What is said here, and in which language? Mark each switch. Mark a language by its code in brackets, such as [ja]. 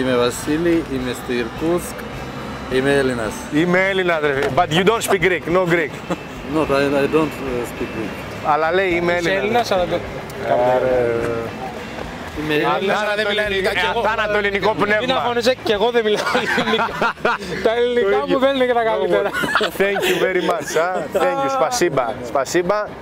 [el] Είμαι Βασίλη, είμαι στο Ιρκούτσκ. Είμαι Έλληνας. Είμαι Έλληνας, [en] but you don't speak Greek, no Greek. No, I don't speak Greek. [el] Αλλά λέει είμαι Έλληνας. Είσαι Έλληνας, αλλά δεν... Είμαι Έλληνας, αλλά δεν μιλάει ελληνικά κι εγώ. Αθάνατο ελληνικό πνεύμα. Μην αγώνεσαι, κι εγώ δεν μιλάω ελληνικά. Τα ελληνικά μου δεν είναι και τα καλύτερα. [en] Thank you very much. Thank you. [ru] Σπασίμπα. Σπασίμπα.